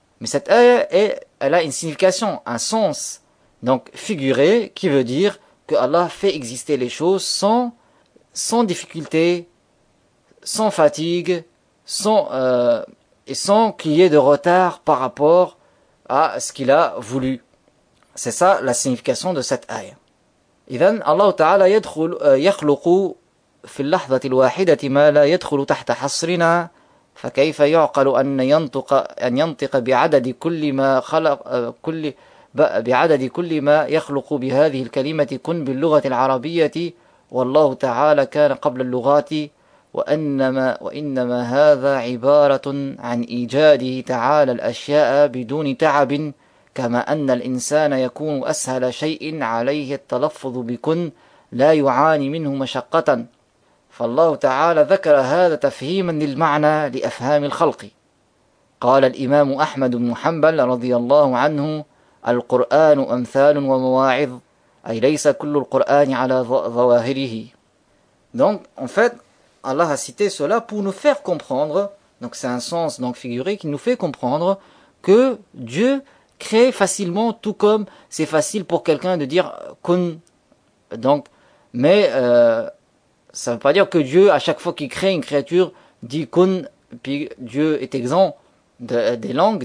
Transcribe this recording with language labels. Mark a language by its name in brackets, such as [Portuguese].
[French] Mais cette ayah, elle a une signification, un sens, donc figuré, qui veut dire que Allah fait exister les choses sans difficulté, sans fatigue, sans qu'il y ait de retard par rapport à ce qu'il a voulu. C'est ça la signification de cette ayah. [Arabic] إذن الله تعالى يدخل يخلق في اللحظة الواحدة ما لا يدخل تحت حصرنا فكيف يعقل أن ينطق بعدد كل ما خلق كل بعدد كل ما يخلق بهذه الكلمة كن باللغة العربية والله تعالى كان قبل اللغات وإنما هذا عبارة عن إيجاده تعالى الأشياء بدون تعب كما أن الإنسان يكون أسهل شيء عليه التلفظ بكن لا يعاني منه مشقة فالله تعالى ذكر هذا تفهيما للمعنى لأفهام الخلق قال الإمام أحمد بن حنبل رضي الله عنه القرآن أمثال ومواعظ أي ليس كل القرآن على ظواهره. [French] Donc en fait Allah a cité cela pour nous faire comprendre, donc c'est un sens donc figuré qui nous fait comprendre que Dieu crée facilement, tout comme c'est facile pour quelqu'un de dire kun. Donc, mais ça ne veut pas dire que Dieu, à chaque fois qu'il crée une créature, dit kun, puis Dieu est exempt des langues.